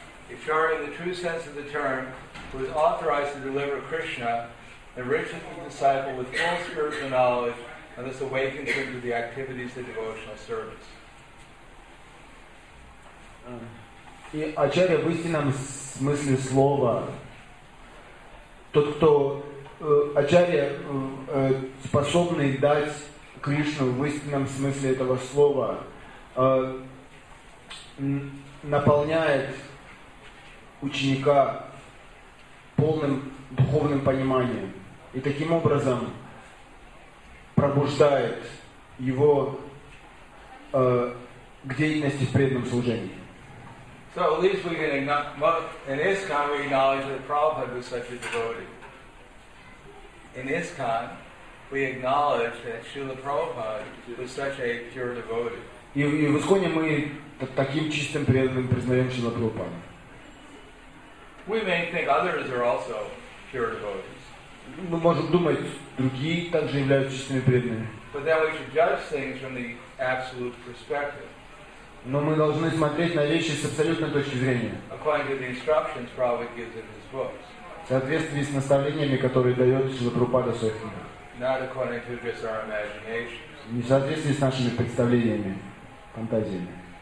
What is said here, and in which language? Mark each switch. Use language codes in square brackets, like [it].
[en] Acharya, in the true sense of the term, who is authorized to deliver Krishna, enriches the disciple with full spiritual knowledge, and thus awakens him to the activities of devotional service. [ru] И ачарья в истинном смысле слова, тот, кто ачарья способный дать Кришну в истинном смысле этого слова, наполняет ученика полным духовным пониманием и таким образом пробуждает его к деятельности в преданном служении. [en] So at least we can in ISKCON we acknowledge that Prabhupada was such a devotee. In ISKCON we acknowledge that Srila Prabhupada was such a pure devotee. [ru] И в ИСККОНе мы таким чистым преданным признаем Шрила Прабхупаду. [en] We may think others are also pure devotees. [ru] Мы можем думать, другие также являются чистыми преданными. [en] But then we should judge things from the absolute perspective. [ru] Но мы должны смотреть на вещи с абсолютной точки зрения. [en] According to the instructions Prabhupada gives in his books. [ru] В соответствии с наставлениями, которые дает Шрила Прабхупада в своих книгах. [en] Not according to just our imaginations. [ru] Не в соответствии с нашими представлениями, фантазиями.